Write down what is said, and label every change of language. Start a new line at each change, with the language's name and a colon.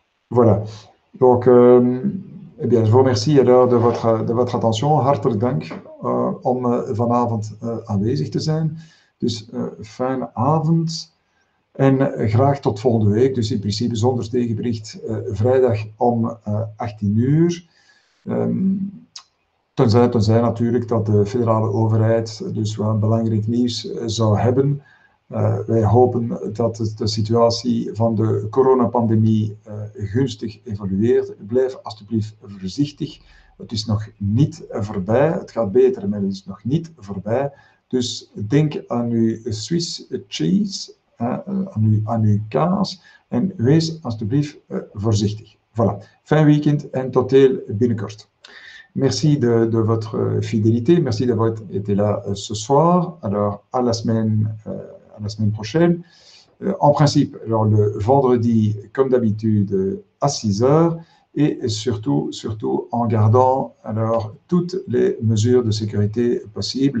French: Voilà. Donc, eh bien, je vous remercie alors de votre attention.
Dutch: Hartelijk dank om vanavond aanwezig te zijn. Dus fijne avond. En graag tot volgende week. Dus in principe zonder tegenbericht vrijdag om 18 uur. Tenzij natuurlijk dat de federale overheid dus wel belangrijk nieuws zou hebben. Wij hopen dat de situatie van de coronapandemie gunstig evolueert. Blijf alsjeblieft voorzichtig. Het is nog niet voorbij. Het gaat beter, maar het is nog niet voorbij. Dus denk aan uw Swiss cheese, aan uw kaas. En wees alsjeblieft voorzichtig. Voilà. Fijn weekend en tot heel binnenkort.
French: Merci de votre fidélité. Merci d'avoir été là ce soir. Alors, à la semaine prochaine. En principe, alors le vendredi, comme d'habitude, à 6h. Et surtout en gardant alors toutes les mesures de sécurité possibles.